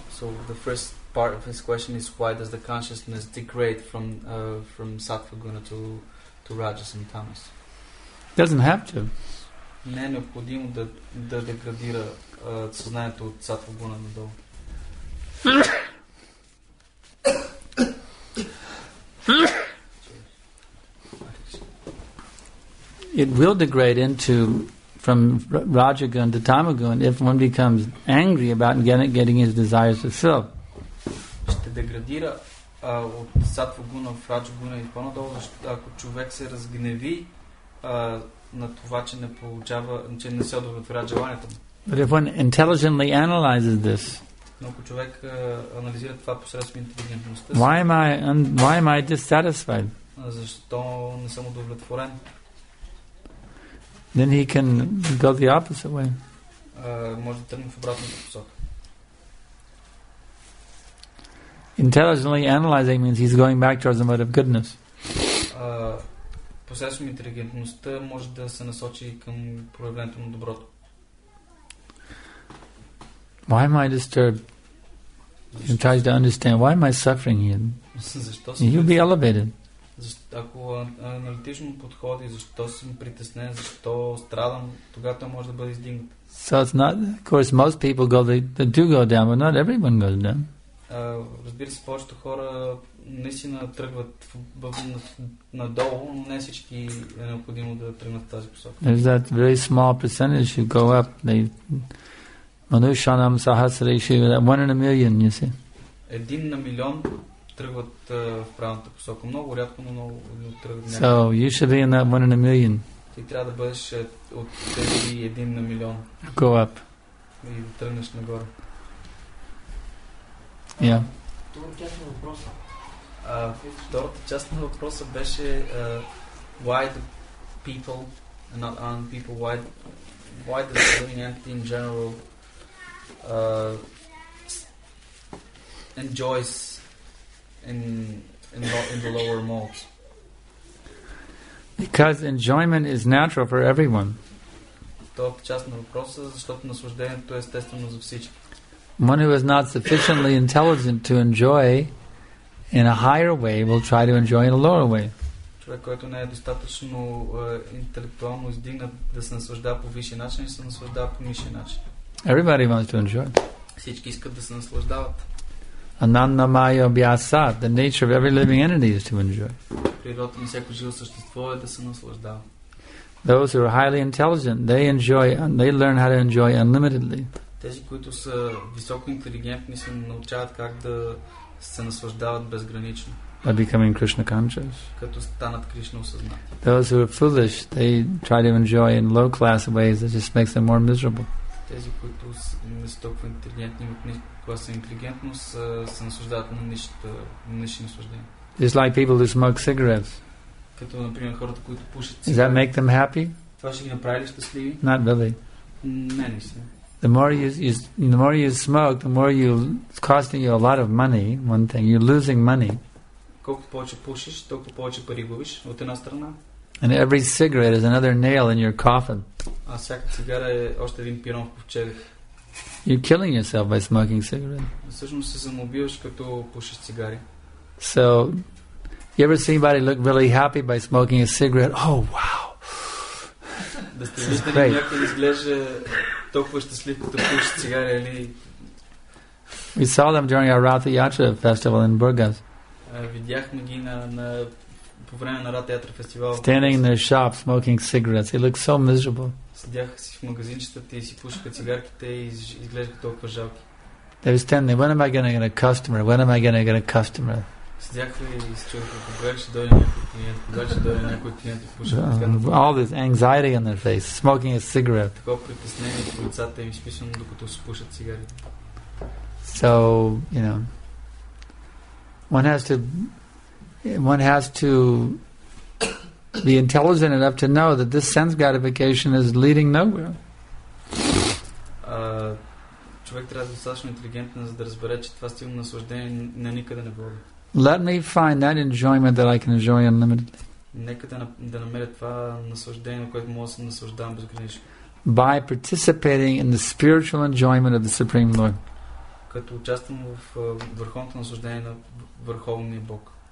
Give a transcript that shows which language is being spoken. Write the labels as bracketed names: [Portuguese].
[English] So the first part of his question is, why does the consciousness degrade from sattva guna to rajas and tamas? Doesn't have to. [Bulgarian] Не е необходимо да деградира съзнанието от сатва гуна надолу. [English] It will degrade into from rajagun to tamagun if one becomes angry about getting his desires fulfilled. [Bulgarian] Ще деградира от сатва гуна в раджагуна и по-надолу, ако човек се разгневи на това, че не получава, че не се удовлетворява желанието му. [English] But if one intelligently analyzes this, [Bulgarian] ако човек анализира това посредством интелигентността, [English] why am I dissatisfied? [Bulgarian] Защо не съм удовлетворен? [English] Then he can go the opposite way. [Bulgarian] Може да тръгне в обратната посока. [English] Intelligently analyzing means he's going back towards the mode of goodness. [Bulgarian] Посредством интелигентността може да се насочи към проявлението на доброто. [English] Why am I disturbed? He tries to understand, why am I suffering here? You'll be elevated. [Bulgarian] Ако аналитично подходи, защо съм притеснен, защо страдам, тогава той може да бъде издигнат. [English] So it's not, of course, most people go, they do go down, but not everyone goes down. [Bulgarian] Разбира се, повечето хора наистина тръгват надолу, но не всички е необходимо да тръгнат в тази посока. [English] There's that very small percentage who go up. They Manushanam Sahasrishi, that one in a million, you see. [Bulgarian] Един на милион тръгват в правилната посока. Много рядко, но много тръгват. [English] So you should be in that one in a million. [Bulgarian] Ти трябва да бъдеш от тези един на милион. [English] Go up. [Bulgarian] И да тръгнеш нагоре. [English] Yeah. [Bulgarian] Втората част на въпроса беше [English] why the people and not on people, why the living entity in general enjoys in the lower modes. Because enjoyment is natural for everyone. [Bulgarian] Втората част на въпроса, защото наслаждението е естествено за всички. [English] One who is not sufficiently intelligent to enjoy in a higher way will try to enjoy in a lower way. [Bulgarian] Човек, който не е достатъчно интелектуално издигнат да се наслаждава по висши начин, се наслаждава по нисши начин. [English] Everybody wants to enjoy. [Bulgarian] Всички искат да се наслаждават. [English] Ananda maya byasa, the nature of every living entity is to enjoy. [Bulgarian] Природата на всяко живо същество е да се наслаждава. [English] Those who are highly intelligent, they enjoy, they learn how to enjoy unlimitedly. [Bulgarian] Тези, които са високо интелигентни, се научават как да се наслаждават безгранично. [English] By becoming Krishna conscious. [Bulgarian] Като станат Кришна осъзнати. [English] Those who are foolish, they try to enjoy in low class ways that just makes them more miserable. [Bulgarian] Тези, които не са толкова интелигентни, имат класа интелигентност, се наслаждават на нищо наслаждение. [English] Just like people who smoke cigarettes. [Bulgarian] Като, например, хората, които пушат цигари. [English] Does that make them happy? [Bulgarian] Това ще ги направи ли щастливи? [English] Not really. [Bulgarian] Не, не си. [English] The more you smoke, the more you it's costing you a lot of money. One thing, you're losing money. [Bulgarian] Колкото повече пушиш, толкова повече пари губиш от една страна. [English] And every cigarette is another nail in your coffin. [Bulgarian] А всяка цигара е още един пирон в ковчега. [English] You're killing yourself by smoking cigarette. [Bulgarian] Всъщност се самоубиваш като пушиш цигари. [English] So, you ever see anybody look really happy by smoking a cigarette? Oh, wow. [Bulgarian] Да сте виждали някой изглежда толкова щастлив, като пуши цигари, или... [English] We saw them during our Ratha Yatra festival in Burgas. [Bulgarian] Видяхме ги по време на Ratha Yatra фестивал. [English] Standing in their shop, smoking cigarettes. They look so miserable. [Bulgarian] Седяха си в магазинчетата и си пушиха цигарките и изглеждаха толкова жалки. [English] They were standing, when am I going to get a customer? When am I going to get a customer? [Bulgarian] Седяха и си чуваха, кога ще дойде някой клиент, кога ще дойде някой клиент и пуша. [English] All this anxiety on their face, smoking a cigarette. [Bulgarian] Такова притеснение по лицата им, смислено, докато се пушат цигарите. [English] So, you know, one has to be intelligent enough to know that this sense gratification is leading nowhere. [Bulgarian] Човек трябва да е достатъчно интелигентен, за да разбере, че това стил наслаждение на никъде не води. [English] Let me find that enjoyment that I can enjoy unlimitedly. [Bulgarian] Нека да намеря това наслаждение, което мога да се наслаждавам безгранично. [English] By participating in the spiritual enjoyment of the Supreme Lord. [Bulgarian] Като участвам в върховното наслаждение на Върховния Бог.